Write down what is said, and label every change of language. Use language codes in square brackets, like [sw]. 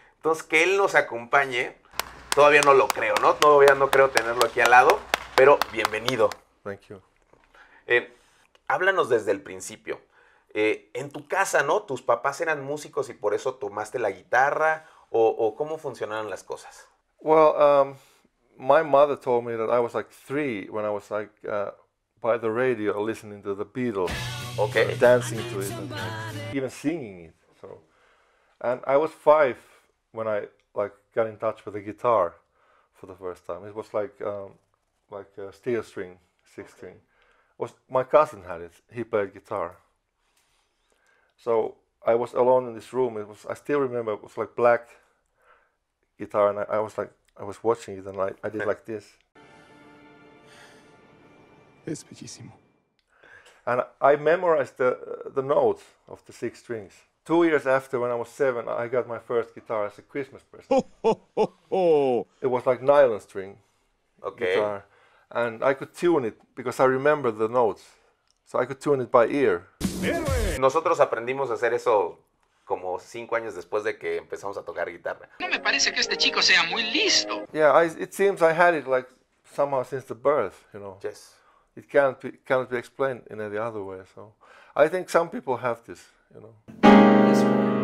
[es] Entonces, que él nos acompañe, todavía no lo creo, ¿no? Todavía no creo tenerlo aquí al lado, pero bienvenido. Thank you. Háblanos desde el principio. En tu casa, ¿no? ¿Tus papás eran músicos y por eso tomaste la guitarra? ¿O cómo funcionaron las cosas? [en] Well, my mother told me that I was like three when I was like by the radio listening to the Beatles, okay, dancing to it, and even singing it. So, and I was five when I like got in touch with the guitar for the first time. It was like a steel string, six string. It was my cousin had it. He played guitar. So I was alone in this room. It was, I still remember, it was like black guitar, and I was like, I was watching it, and I did like this. [es] Es bellísimo. [en] And I memorized the notes of the six strings. 2 years after, when I was seven, I got my first guitar as a Christmas present. It was like nylon string, okay, guitar. And I could tune it because I remember the notes. So I could tune it by ear. [es] Nosotros aprendimos a hacer eso como 5 años después de que empezamos a tocar guitarra. No me parece que este chico sea muy listo. [en] Yeah, it seems I had it like somehow since the birth, you know. Yes. It cannot be explained in any other way. So, I think some people have this, you know.